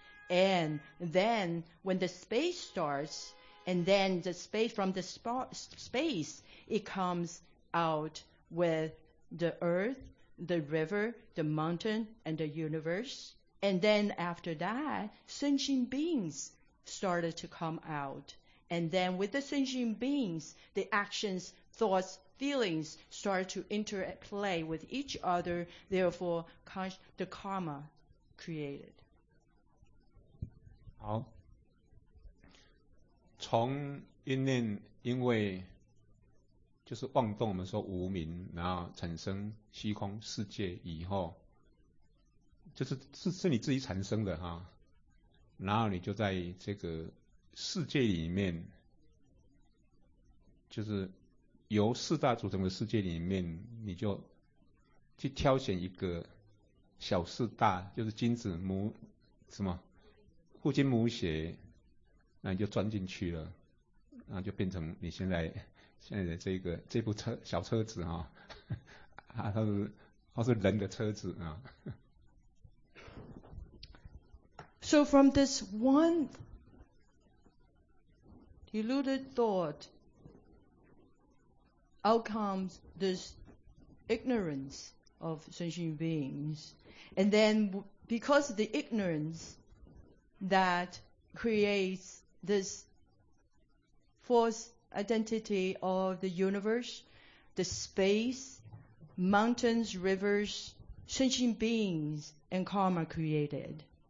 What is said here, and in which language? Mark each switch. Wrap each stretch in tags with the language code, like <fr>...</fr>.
<en>And then when the space starts, and then the space from the space, it comes out with the earth, the river, the mountain, and the universe. And then after that, sentient beings started to come out. And then with the sentient beings, the actions, thoughts, feelings start to interplay with each other. Therefore, the karma created.</en> <zh>好，从一念，因为就是妄动，我们说无明，然后产生虚空世界以后，就是 是你自己产生的哈，然后你就在这个世界里面，就是由四大组成的世界里面，你就去挑选一个小四大，就是精子母什么父精母血，那你就钻进去了，然后就变成你现在的这部车小车子哈、哦，它是人的车子啊。</zh> <en>So from this one deluded thought, out comes this ignorance of sentient beings, and then because of the ignorance that creates this false identity of the universe, the space, mountains, rivers, sentient beings, and karma created.</en>